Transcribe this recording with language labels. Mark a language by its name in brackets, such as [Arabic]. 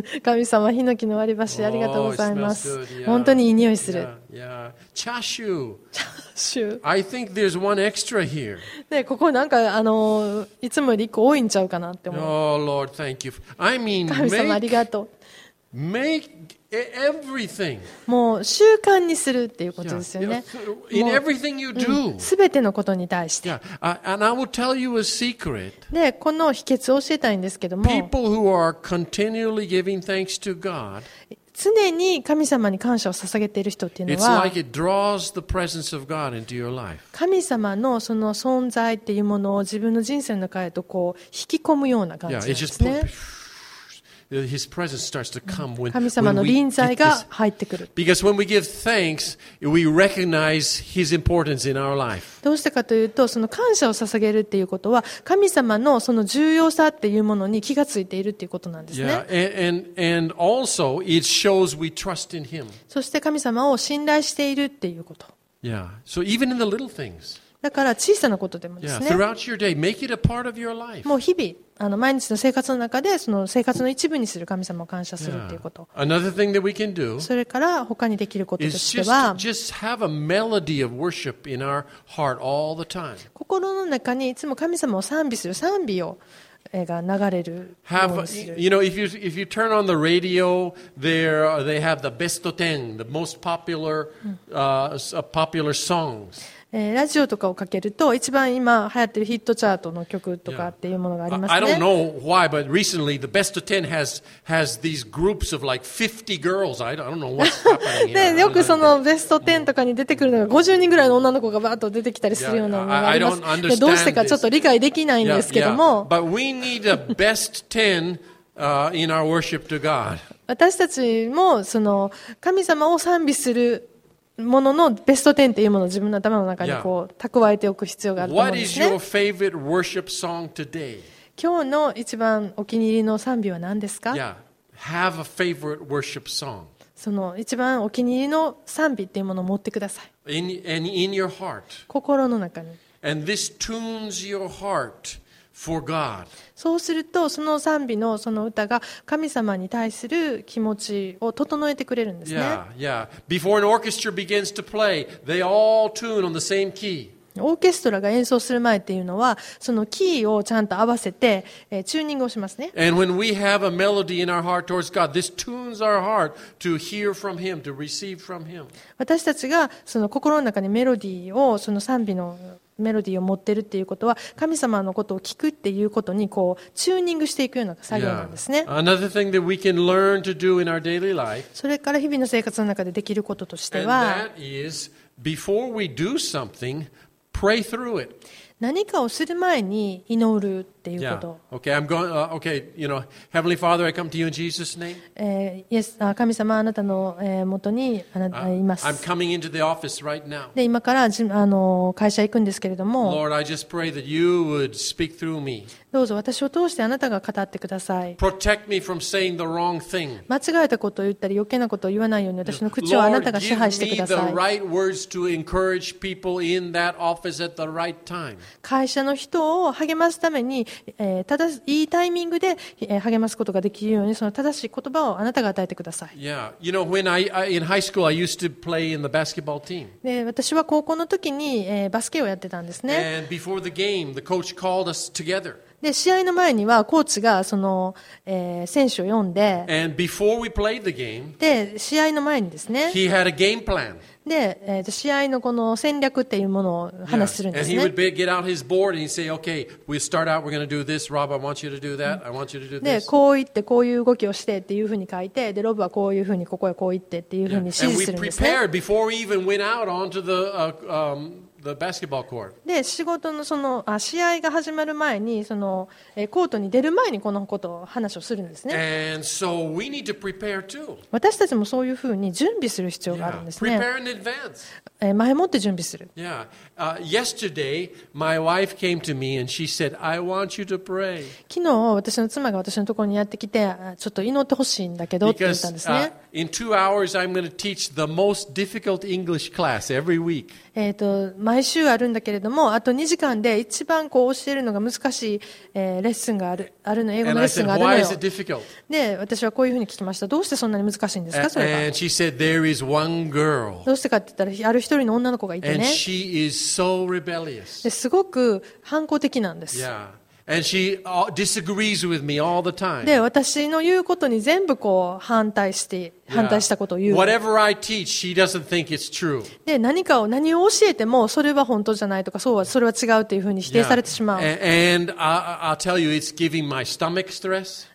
[Japanese] 神様、ヒノキの割り箸ありがとうございます。 [English] Yeah. [Japanese] 本当にいい匂いする。 [English] Yeah. Yeah. チャーシュー。 [Japanese] チャーシュー。 [English] I think there's one extra here. [Japanese] ね、ここなんかいつもより一個多いんちゃうかなって思う。 [English] Oh Lord, thank you. I mean, [Japanese] 神様ありがとう。 [English] Make everything. [Japanese] もう習慣にするっていうことですよね。 [English] In everything you do. [Japanese] すべてのことに対して。 [English] And I will tell you a secret. [Japanese] で、この秘訣を教えたいんですけども。 [English] People who are continually giving thanks to God. [Japanese] 常に神様に感謝を捧げている人っていうのは。 [English] It's like it draws the presence of God into your life. [Japanese] 神様のその存在っていうものを自分の人生の中へとこう引き込むような感じですね。 [English] His presence starts to come when, [Japanese] 神様の臨在が入ってくる。 [English] Because when we give thanks, we recognize His importance in our life. [Japanese] どうしてかというと、その感謝を捧げるっていうことは、神様のその重要さっていうものに気がついているっていうことなんですね。 [English] Yeah, and also it shows we trust in Him. [Japanese] そして神様を信頼しているっていうこと。 Yeah. [English] So even in the little things. [Japanese] だから小さなことでもですね。 [English] Yeah, throughout your day, make it a part of your life. [Japanese] もう日々、毎日の生活の中で、その生活の一部にする神様を感謝するっていうこと。 [English] Yeah. Another thing that we can do, [Japanese] それから他にできることとしては、 [English] is just have a melody of worship in our heart all the time. [Japanese] 心の中にいつも神様を賛美する賛美を。が流れる。 [English] Have you know if you turn on the radio there they have the best of 10 the most popular、popular songs. [Japanese] ラジオとかをかけると一番今流行ってるヒットチャートの曲とかっていうものがありますね。 [English] Yeah. I don't know why, but recently the best of 10 has these groups of like 50 girls. I don't know what's happening here. [Japanese] ね、よくそのベスト10とかに出てくるのが50人ぐらいの女の子がバーッと出てきたりするようなものがあります。 [English] Yeah. I don't understand. [Japanese] どうしてかちょっと理解できないんですけども。 [English] Yeah. Yeah. But We need a best 10, in our worship to God. [Japanese] 私たちもその神様を賛美するもののベスト10っていうものを自分の頭の中にこう蓄えておく必要があると思うんですね。 [English] What is your favorite worship song today? [Japanese] 今日の一番お気に入りの賛美は何ですか? [English] Yeah. Have a favorite worship song. [Japanese] その一番お気に入りの賛美っていうものを持ってください。 [English] in your heart. [Japanese] 心の中に。 [English] And this tunes your heart. For God. [Japanese] そうするとその賛美のその歌が神様に対する気持ちを整えてくれるんですね。 [English] Yeah, yeah. Before an orchestra begins to play, they all tune on the same key. [Japanese] オーケストラが演奏する前っていうのは、そのキーをちゃんと合わせて、チューニングをしますね。 [English] And when we have a melody in our heart towards God, this tunes our heart to hear from Him, to receive from Him. [Japanese] 私たちがその心の中にメロディーを、その賛美のメロディーを持ってるっていうことは、神様のことを聞くっていうことにこうチューニングしていくような作業なんですね。 [English] Yeah. Another thing that we can learn to do in our daily life. [Japanese] それから日々の生活の中でできることとしては、 [English] And that is before we do something. Pray through it. [Japanese] 何かをする前に祈るっていうこと。 [English] Yeah. Okay, I'm going. Okay, you know, Heavenly Father, I come to you in Jesus' name. [Japanese] Yes, 神様、あなたの元にあなたいます。 [English] I'm coming into the office right now. [Japanese] で、今からあの会社行くんですけれども。 [English] Lord, I just pray that you would speak through me. [Japanese] どうぞ私を通してあなたが語ってください。 [English] Protect me from saying the wrong thing. [Japanese] 間違えたことを言ったり余計なことを言わないように私の口をあなたが支配してください。 [English] Lord, give me the right words to encourage people in that office at the right time. [Japanese] 会社の人を励ますために、ただいいタイミングで、励ますことができるようにその正しい言葉をあなたが与えてください。 [English] Yeah, you know when I in high school I used to play in the basketball team. [Japanese] 私は高校の時に、バスケをやってたんですね。 [English] And before the game, the coach called us together. [Japanese] で試合の前にはコーチがその、選手を呼んで、 [English] And before we played the game, [Japanese] で試合の前にですね、 [English] he had a game plan. [Japanese] で、試合のこの戦略っていうものを話するんですね。 [English] Yeah. And he would be, get out his board and he'd say, "Okay, we start out. We're going to do this. Rob, I want you to do that. I want you to do this." [Japanese] でこう言ってこういう動きをしてっていうふうに書いて、でロブはこういうふうにここへこう言ってっていうふうに指示するんですね。 [English] And we prepared before we even went out onto the, The basketball court. [Japanese] で仕事のその試合が始まる前にそのコートに出る前にこのことを話をするんですね。 [English] And so we need to prepare too. [Japanese] 私たちもそういうふうに準備する必要があるんですね。 [English] Yeah. Prepare in advance. [Japanese] 前もって準備する。 [English] Yeah. Yesterday, my wife came to me and she said, "I want you to pray." [Japanese] 昨日私の妻が私のところにやってきてちょっと祈ってほしいんだけどって言ったんですね。 [English] Because, in 2 hours, I'm going to teach the most difficult English class every week. [Japanese] 毎週あるんだけれども、あと2時間で一番こう教えるのが難しい、レッスンがある、あるの、英語のレッスンがあるのよ。 [English] And I said, "Why is it difficult?" [Japanese] で、私はこういうふうに聞きました。どうしてそんなに難しいんですか、それは。 [English] And she said, "There is one girl." [Japanese] どうしてかって言ったら、ある一人の女の子がいてね。 [English] And she is so rebellious. [Japanese] ですごく反抗的なんです。 [English] Yeah. And she disagrees with me all the time. [Japanese] で、私の言うことに全部こう反対して、反対したことを言う。 [English] Yeah. Whatever I teach, she doesn't think it's true. [Japanese] で、何を教えても、それは本当じゃないとか、それは違うというふうに否定されてしまう。 [English] Yeah. And I'll tell you, it's giving my stomach stress.